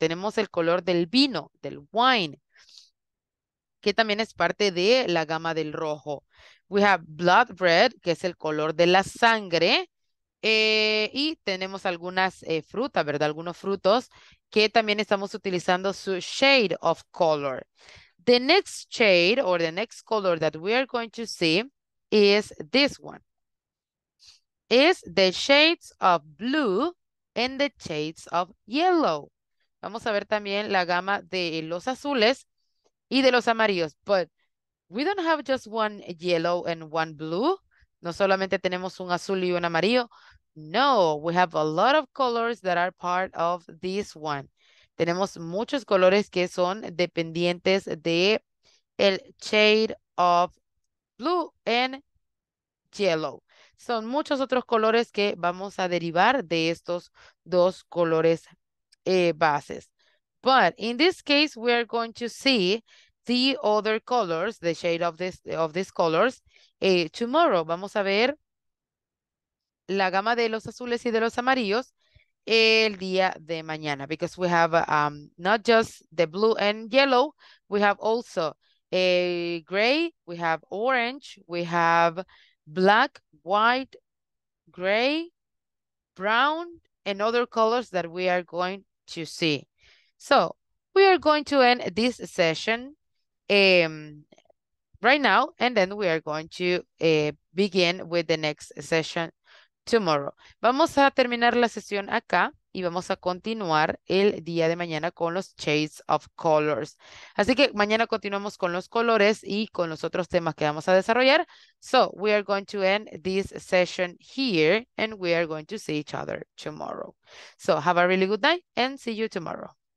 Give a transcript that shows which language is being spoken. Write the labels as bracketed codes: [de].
[es] Tenemos el color del vino, del wine, que también es parte de la gama del rojo. [en] We have blood red, [es] que es el color de la sangre. Y tenemos algunas frutas, ¿verdad? Algunos frutos que también estamos utilizando su [en] shade of color. The next shade or the next color that we are going to see is this one. Is the shades of blue and the shades of yellow. [es] Vamos a ver también la gama de los azules y de los amarillos. [en] But we don't have just one yellow and one blue. [es] No solamente tenemos un azul y un amarillo. [en] No, we have a lot of colors that are part of this one. [es] Tenemos muchos colores que son dependientes de el [en] shade of blue and yellow. [es] Son muchos otros colores que vamos a derivar de estos dos colores bases. [en] But in this case, we are going to see the other colors, the shade of these colors, tomorrow. [es] Vamos a ver la gama de los azules y de los amarillos el día de mañana. [en] Because we have not just the blue and yellow, we have also a gray, we have orange, we have black, white, gray, brown, and other colors that we are going to see. So we are going to end this session right now, and then we are going to begin with the next session tomorrow. [es] Vamos a terminar la sesión acá y vamos a continuar el día de mañana con los [en] shades of colors. [es] Así que mañana continuamos con los colores y con los otros temas que vamos a desarrollar. [en] So, we are going to end this session here and we are going to see each other tomorrow. So, have a really good night and see you tomorrow.